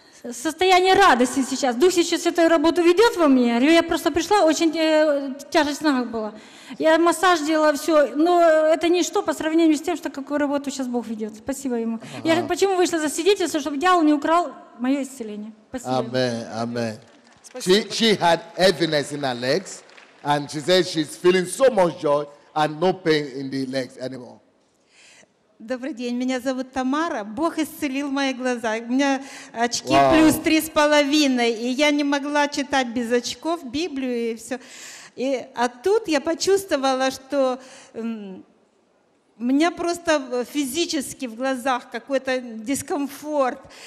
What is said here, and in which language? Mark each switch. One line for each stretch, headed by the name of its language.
Russian: состояние радости сейчас. Дух сейчас святой работу ведет во мне. Я просто пришла, очень тяжесть в ногах была. Я массаж делала, все. Но это ничто по сравнению с тем, что какую работу сейчас Бог ведет. Спасибо ему. Ага. Я почему вышла за свидетельство, чтобы дьявол не украл мое исцеление. Спасибо. Аминь, аминь.
English: She had heaviness in her legs, and she says she's feeling so much joy and no pain in the legs anymore.
Russian: Добрый день, меня зовут Тамара. Бог исцелил мои глаза. У меня очки wow. плюс 3.5, и я не могла читать без очков Библию и все. И, а тут я почувствовала, что у меня просто физически в глазах какой-то дискомфорт.